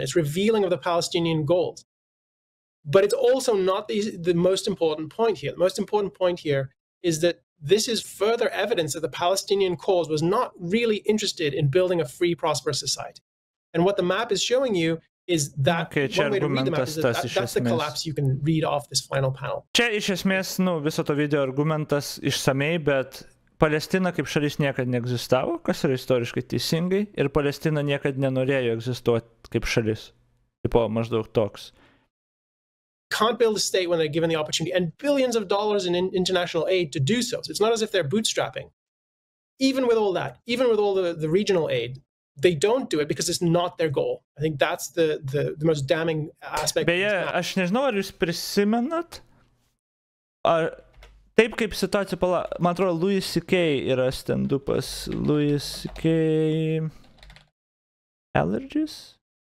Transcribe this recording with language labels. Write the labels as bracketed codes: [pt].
[en] It's revealing of the Palestinian goals. But it's also not the most important point here. The most important point here is that this is further evidence that the Palestinian cause was not really interested in building a free, prosperous society. And what the map is showing you is that okay, one way to read the map is that, [lt] esmės, [en] that's the collapse you can read off this final panel. [lt] Čia iš esmės, nu, viso to video argumentas išsamei, bet Palestina kaip šalis niekad neegzistavo, kas yra istoriškai teisingai, ir Palestina niekad nenorėjo egzistuoti kaip šalis. Tipo, maždaug toks. [en] Can't build a state when they're given the opportunity and billions of dollars in international aid to do so. So it's not as if they're bootstrapping. Even with all that, even with all the regional aid, they don't do it because it's not their goal. I think that's the most damning aspect. [lt] Beje, aš nežinau, ar jūs prisimenat, ar taip kaip situacija, man atrodo, Louis C.K. yra stand-upas, Louis C.K. Allergies?